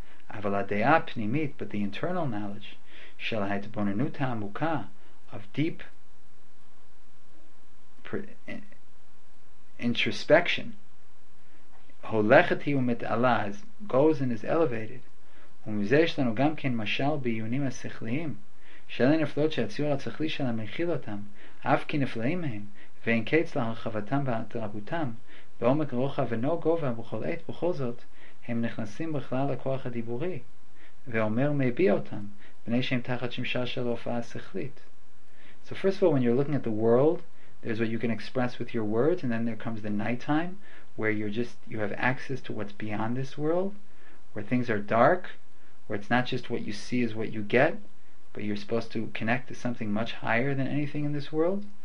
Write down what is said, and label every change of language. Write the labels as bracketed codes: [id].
[he] Aval ha'de'a pnimit, [en] but the internal knowledge [he] shel ha'etbonenut ha'amuka, [en] of deep introspection, [he] הולכתי ומתעלה, [en] as goes and is elevated. [he] ומזה יש לנו גם כן משל בעיונים השכליים, שאלה נפלאות שהציור השכלי שלהם מכיל אותם, אף כי נפלאים מהם, ואין קץ להרחבתם והתרבותם, בעומק רוחב ונו גובה בכל עת, בכל זאת, הם נכנסים בכלל לכוח הדיבורי, ואומר מביע אותם, בני שהם תחת שמשה של הופעה השכלית. [en] So first of all, when you're looking at the world, there's what you can express with your words, and then there comes the night time, where you have access to what's beyond this world, where things are dark, where it's not just what you see is what you get, but you're supposed to connect to something much higher than anything in this world.